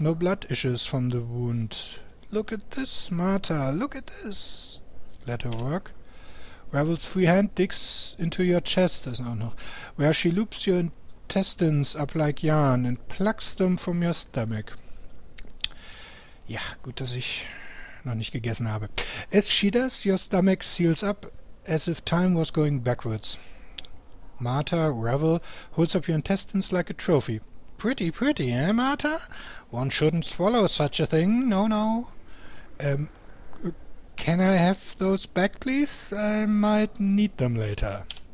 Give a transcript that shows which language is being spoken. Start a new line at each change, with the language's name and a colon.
English: No blood issues from the wound. "Look at this, Martha. Look at this." "Let her work." Revel's free hand digs into your chest, where she loops your intestines up like yarn and plucks them from your stomach.
German: Ja, gut, dass ich noch nicht gegessen habe.
English: As she does, your stomach seals up as if time was going backwards. Martha, Revel, holds up your intestines like a trophy. "Pretty, pretty, eh, Martha? One shouldn't swallow such a thing, no, no." "Can I have those back, please? I might need them later."